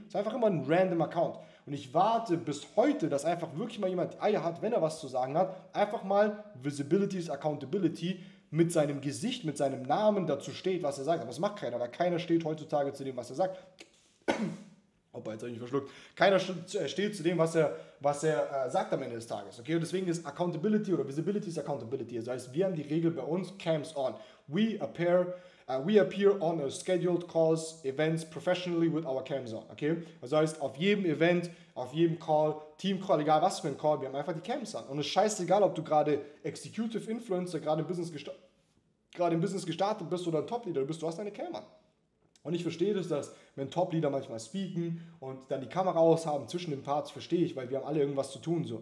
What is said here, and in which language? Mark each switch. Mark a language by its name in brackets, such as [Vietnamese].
[German] Es ist einfach immer ein random Account. Und ich warte bis heute, dass einfach wirklich mal jemand Eier hat, wenn er was zu sagen hat, einfach mal [English] Visibility is Accountability [German] mit seinem Gesicht, mit seinem Namen dazu steht, was er sagt. Aber das macht keiner, weil keiner steht heutzutage zu dem, was er sagt. Hoppa, jetzt habe ich mich verschluckt. Keiner steht zu dem, was er sagt am Ende des Tages. Okay? Und deswegen ist Accountability oder [English] Visibility is Accountability. [German] Das heißt, wir haben die Regel bei uns, Camps on. [English] We appear on a scheduled calls, events professionally with our cams on, okay? [German] Also heißt, auf jedem Event, auf jedem Call, Team-Call, egal was für ein Call, wir haben einfach die Cams an. Und es ist scheißegal, ob du gerade Executive Influencer, gerade im Business gestartet bist oder ein Top-Leader bist, du hast deine Cam an. Und ich verstehe das, dass wenn Top-Leader manchmal speaken und dann die Kamera aus haben zwischen den Parts, verstehe ich, weil wir haben alle irgendwas zu tun. So.